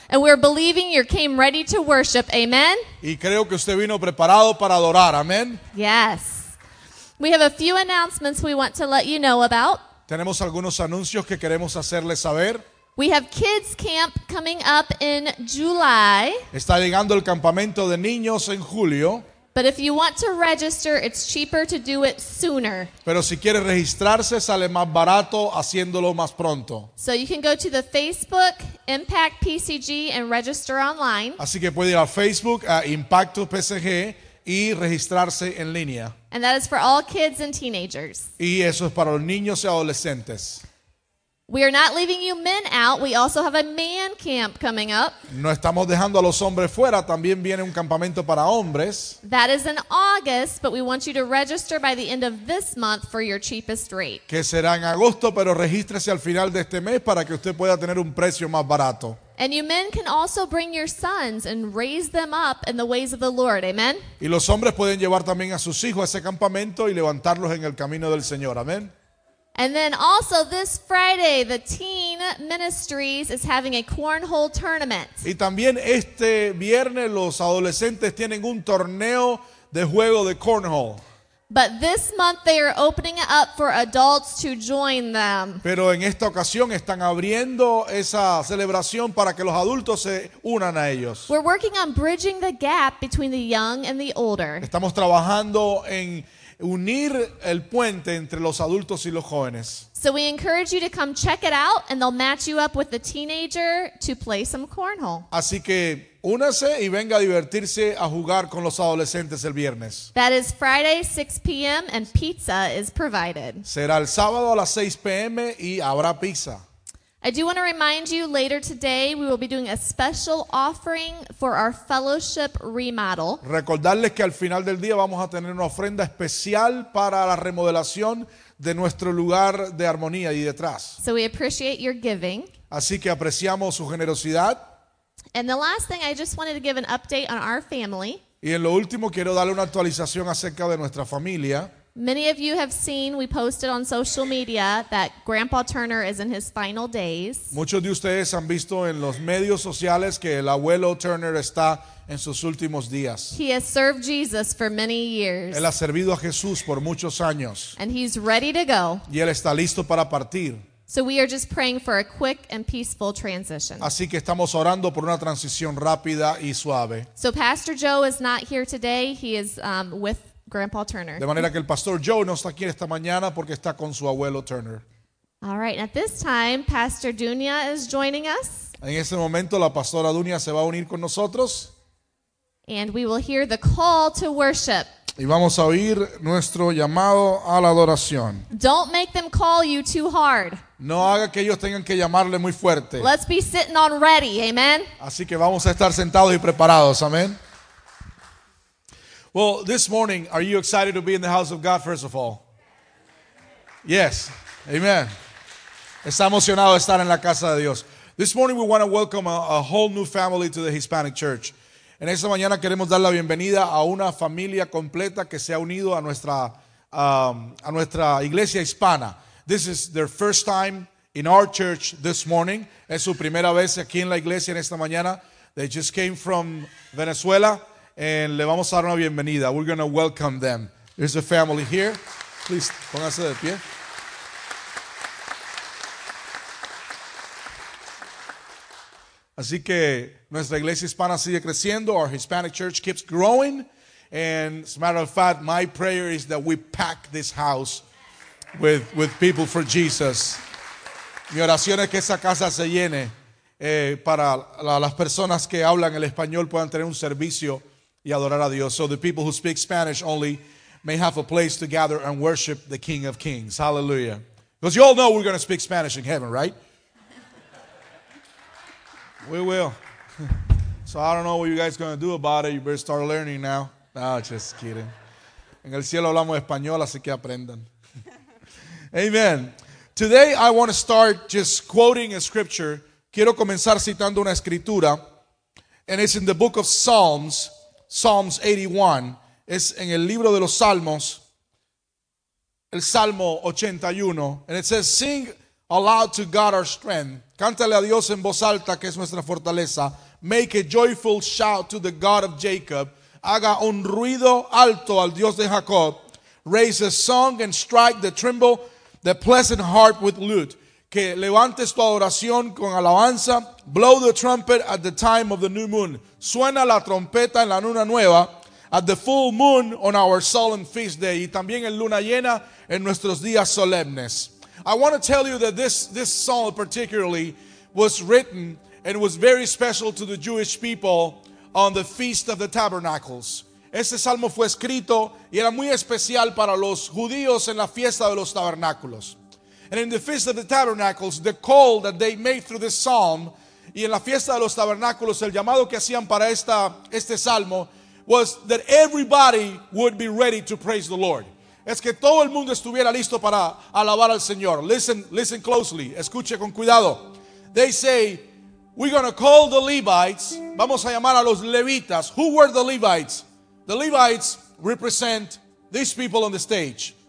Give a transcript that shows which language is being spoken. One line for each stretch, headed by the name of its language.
English: And we're believing you came ready to worship. Amen.
Spanish: Y creo que usted vino preparado para adorar. Amen.
English: Yes. We have a few announcements we want to let you know about.
Spanish: Tenemos algunos anuncios que queremos hacerles saber.
English: We have kids camp coming up in July.
Spanish: Está llegando el campamento de niños en julio.
English: But if you want to register, it's cheaper to do it sooner.
Spanish: Pero si quieres registrarse, sale más barato haciéndolo más pronto.
English: So you can go to the Facebook Impact PCG and register online.
Spanish: Así que puede ir a Facebook, a Impacto PCG, y registrarse en línea.
English: And that is for all kids and teenagers.
Spanish: Y eso es para los niños y adolescentes.
English: We are not leaving you men out. We also have a man camp coming up.
Spanish: No estamos dejando a los hombres fuera. También viene un campamento para hombres.
English: That is in August, but we want you to register by the end of this month for your cheapest rate.
Spanish: Que será en agosto, pero regístrese al final de este mes para que usted pueda tener un precio más barato.
English: And you men can also bring your sons and raise them up in the ways of the Lord. Amen.
Spanish: Y los hombres pueden llevar también a sus hijos a ese campamento y levantarlos en el camino del Señor. Amen.
English: And then also this Friday, the Teen Ministries is having a cornhole tournament.
Spanish: Y también este viernes los adolescentes tienen un torneo de juego de cornhole.
English: But this month they are opening it up for adults to join them.
Spanish: Pero en esta ocasión están abriendo esa celebración para que los adultos se unan a ellos.
English: We're working on bridging the gap between the young and the older.
Spanish: Estamos trabajando en unir el puente entre los adultos y los jóvenes.
English: So we encourage you to come check it out and they'll match you up with the teenager to play some cornhole.
Spanish: Así que únase y venga a divertirse a jugar con los adolescentes el viernes.
English: That is Friday 6 p.m. and pizza is provided.
Spanish: Será el sábado a las 6 p.m. y habrá pizza.
English: I do want to remind you, later today we will be doing a special offering for our fellowship remodel.
Spanish: Recordarles que al final del día vamos a tener una ofrenda especial para la remodelación de nuestro lugar de armonía y detrás.
English: So we appreciate your giving.
Spanish: Así que apreciamos su generosidad.
English: And the last thing, I just wanted to give an update on our family.
Spanish: Y en lo último quiero darle una actualización acerca de nuestra familia.
English: Many of you have seen, we posted on social media that Grandpa Turner is in his final days.
Spanish: Muchos de ustedes han visto en los medios sociales que el abuelo Turner está en sus últimos días.
English: He has served Jesus for many years.
Spanish: Él ha servido a Jesús por muchos años.
English: And he's ready to go.
Spanish: Y él está listo para partir.
English: So we are just praying for a quick and peaceful transition.
Spanish: Así que estamos orando por una transición rápida y suave.
English: So Pastor Joe is not here today. He is with Grandpa Turner.
Spanish: De manera que el pastor Joe no está aquí esta mañana porque está con su abuelo Turner.
English: All right, at this time, Pastor Dunia is joining us.
Spanish: En este momento, la pastora Dunia se va a unir con nosotros.
English: And we will hear the call to worship.
Spanish: Y vamos a oír nuestro llamado a la adoración.
English: Don't make them call you too hard.
Spanish: No haga que ellos tengan que llamarle muy fuerte.
English: Let's be sitting on ready, amen.
Spanish: Así que vamos a estar sentados y preparados, amén.
English: Well, this morning, are you excited to be in the house of God, first of all? Yes. Amen.
Spanish: Está emocionado estar en la casa de Dios.
English: This morning, we want to welcome a whole new family to the Hispanic Church.
Spanish: En esta mañana, queremos dar la bienvenida a una familia completa que se ha unido a nuestra iglesia hispana.
English: This is their first time in our church this morning.
Spanish: Es su primera vez aquí en la iglesia en esta mañana.
English: They just came from Venezuela. And
Spanish: le vamos a dar una bienvenida.
English: We're going to welcome them. There's a family here. Please,
Spanish: póngase de pie. Así que nuestra iglesia hispana sigue creciendo.
English: Our Hispanic church keeps growing. And as a matter of fact, my prayer is that we pack this house with people for Jesus.
Spanish: Mi oración es que esa casa se llene para las personas que hablan el español puedan tener un servicio y adorar a Dios.
English: So the people who speak Spanish only may have a place to gather and worship the King of Kings. Hallelujah. Because you all know we're going to speak Spanish in heaven, right? We will. So I don't know what you guys are going to do about it. You better start learning now. No, just kidding.
Spanish: En el cielo hablamos español, así que aprendan.
English: Amen. Today I want to start just quoting a scripture.
Spanish: Quiero comenzar citando una escritura.
English: And it's in the book of Psalms, Psalms 81.
Spanish: Es en el libro de los Salmos, el Salmo 81.
English: And it says, sing aloud to God our strength.
Spanish: Cántale a Dios en voz alta, que es nuestra fortaleza.
English: Make a joyful shout to the God of Jacob.
Spanish: Haga un ruido alto al Dios de Jacob.
English: Raise a song and strike the tremble, the pleasant harp with lute.
Spanish: Que levantes tu adoración con alabanza.
English: Blow the trumpet at the time of the new moon.
Spanish: Suena la trompeta en la luna nueva.
English: At the full moon on our solemn feast day.
Spanish: Y también en luna llena en nuestros días solemnes.
English: I want to tell you that this psalm particularly was written and was very special to the Jewish people on the Feast of the Tabernacles.
Spanish: Este salmo fue escrito y era muy especial para los judíos en la fiesta de los tabernáculos.
English: And in the Feast of the Tabernacles, the call that they made through this psalm,
Spanish: y en la fiesta de los tabernáculos, el llamado que hacían para este salmo,
English: was that everybody would be ready to praise the Lord.
Spanish: Es que todo el mundo estuviera listo para alabar al Señor.
English: Listen closely.
Spanish: Escuche con cuidado.
English: They say, we're going to call the Levites.
Spanish: Vamos a llamar a los Levitas.
English: Who were the Levites? The Levites represent these people on the stage.